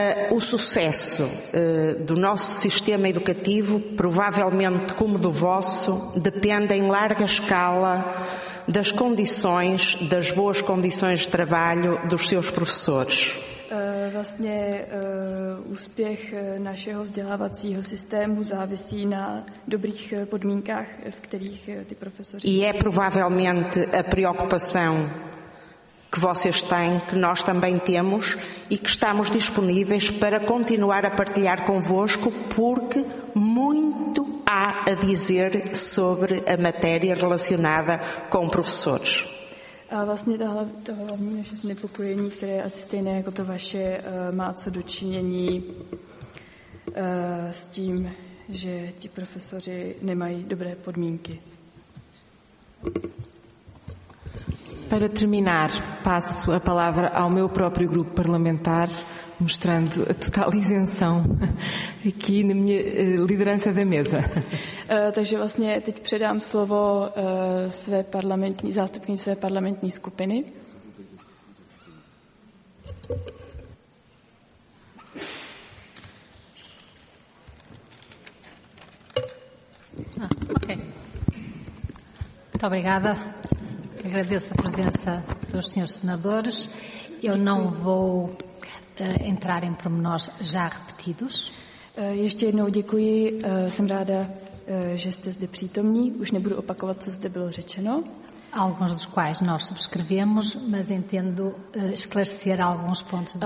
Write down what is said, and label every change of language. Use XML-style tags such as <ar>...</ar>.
<pt>O sucesso do nosso sistema educativo, provavelmente como do vosso, depende em larga escala das condições, das boas condições de trabalho dos seus professores.</pt> <cs>Vlastně úspěch našeho vzdělávacího systému závisí na dobrých podmínkách, v kterých ty profesoři...</cs> <pt>E é provavelmente a preocupação que vocês têm, que nós também temos e que estamos disponíveis para continuar a partilhar convosco, porque muito há a dizer sobre a matéria relacionada com professores.</pt> <cs>A vlastně to hlavní naše znepokojení, které je asi stejné jako to vaše, má co dočinění s tím, že ti profesoři nemají dobré podmínky.</cs> <pt>Para terminar, passo a palavra ao meu próprio grupo parlamentar, mostrando a total isenção aqui na minha liderança da mesa.</pt> <cs>Takže vlastně teď předám slovo své parlamentní zástupkyni své parlamentní skupiny.</cs> <pt>Okay. Muito obrigada. Agradeço a presença dos senhores senadores. Eu não vou entrar em pormenores já repetidos.</pt> <cs>Ještě jednou děkuji. Jsem ráda, že jste zde přítomní. Už nebudu opakovat, co zde bylo řečeno.</cs> <pt>Alguns dos quais nós subscrevemos, mas entendo esclarecer alguns pontos de</pt>